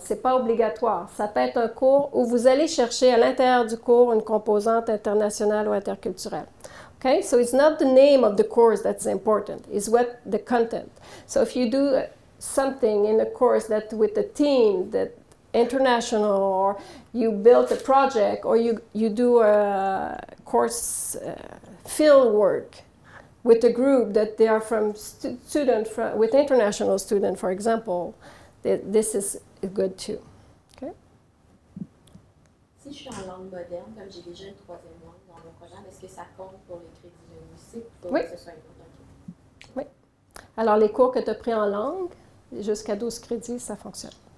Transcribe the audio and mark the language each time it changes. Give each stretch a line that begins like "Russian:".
French: Ce n'est pas obligatoire. Ça peut être un cours où vous allez chercher à l'intérieur du cours une composante internationale ou interculturelle. OK?
English: So it's not the name of the course that's important. It's what the content. So if you do something in a course that with a team that international, or you built a project, or you do a course field work with a group that they are from student from, with international student, for example, this is good too. Okay.
French: Si je suis en langue moderne, comme j'ai déjà une troisième langue dans mon programme, est-ce que ça compte pour les crédits de musique? Oui. Alors les cours que tu as pris en langue, jusqu'à 12 crédits, ça fonctionne.